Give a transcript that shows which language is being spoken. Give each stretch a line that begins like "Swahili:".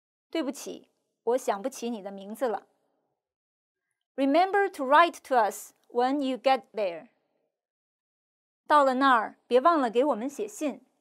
Chinese: 对不起,我想不起你的名字了。
English: Remember to write to us when you get there.
Chinese: 到了那儿,别忘了给我们写信。